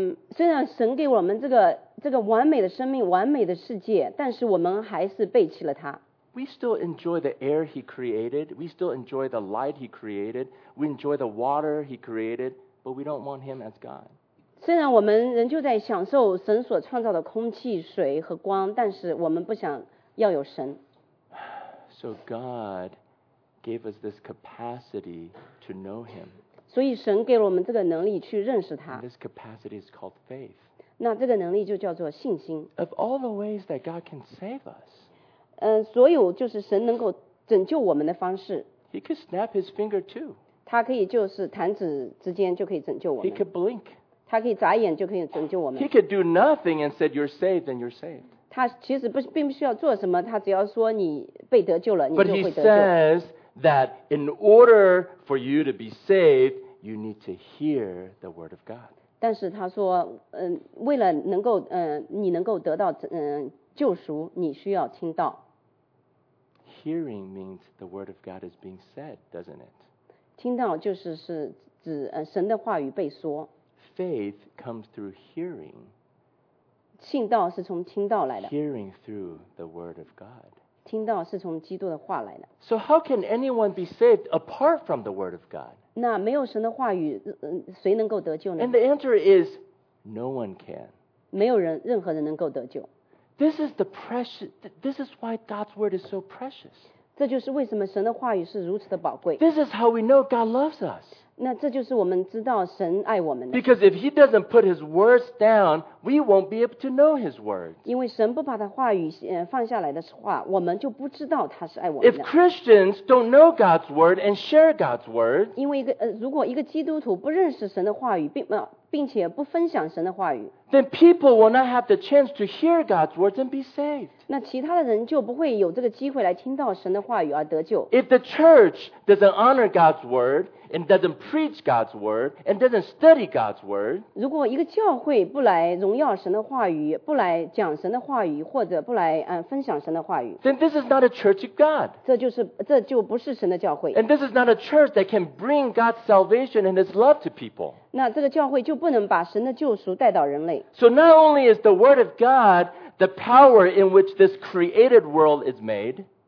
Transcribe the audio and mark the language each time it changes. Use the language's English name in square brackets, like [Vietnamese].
[Chinese] 虽然神给我们这个完美的生命、完美的世界，但是我们还是背弃了他。 [English] We still enjoy the air He created. We still enjoy the light He created. We enjoy the water He created, but we don't want Him as God. [Chinese] 虽然我们仍旧在享受神所创造的空气、水和光，但是我们不想要有神。 [English] So God gave us this capacity to know Him. [Chinese] 所以神给了我们这个能力去认识他。 [English] This capacity is called faith. [Chinese] 那这个能力就叫做信心。 [English] Of all the ways that God can save us. [Chinese] 所有就是神能够拯救我们的方式。 [English] He could snap his finger too. [Chinese] 他可以就是弹指之间就可以拯救我们。 [English] He could blink. [Chinese] 他可以眨眼就可以拯救我们。 [English] He could do nothing and said you're saved and you're saved. [Chinese] 他其实并不需要做什么，他只要说你被得救了，你就会得救。 [English] But he says that in order for you to be saved, you need to hear the word of God. [Chinese] 但是他说，为了能够，你能够得到，救赎，你需要听到。 [English] Hearing means the word of God is being said, doesn't it? [Chinese] 听到就是指神的话语被说。 [English] Faith comes through hearing. [Chinese] 信道是从听道来的。 [English] Hearing through the word of God. [Chinese] 听到是从基督的话来的。 [English] So how can anyone be saved apart from the word of God? [Chinese] 那没有神的话语，谁能够得救呢？ [English] And the answer is, no one can. [Chinese] 没有人，任何人能够得救。 [English] This is the precious. This is why God's word is so precious. [Chinese] 这就是为什么神的话语是如此的宝贵。 [English] This is how we know God loves us. [Chinese] 那这就是我们知道神爱我们的。 [English] Because if He doesn't put His words down, we won't be able to know His words. [Chinese] 因为神不把他话语放下来的话，我们就不知道他是爱我们的。 [English] If Christians don't know God's word and share God's word, [Chinese] 因为如果一个基督徒不认识神的话语，并且不分享神的话语， [English] then people will not have the chance to hear God's words and be saved. [Chinese] 那其他的人就不会有这个机会来听到神的话语而得救。 [English] If the church doesn't honor God's word and doesn't preach God's word and doesn't study God's word, [Chinese] 如果一个教会不来荣耀神的话语，不来讲神的话语，或者不来分享神的话语， [English] then this is not a church of God. [Chinese] 这就不是神的教会。 [English] And this is not a church that can bring God's salvation and His love to people. [Chinese] 那这个教会就不能把神的救赎带到人类。 [English] So not only is the word of God the power in which this created world is made,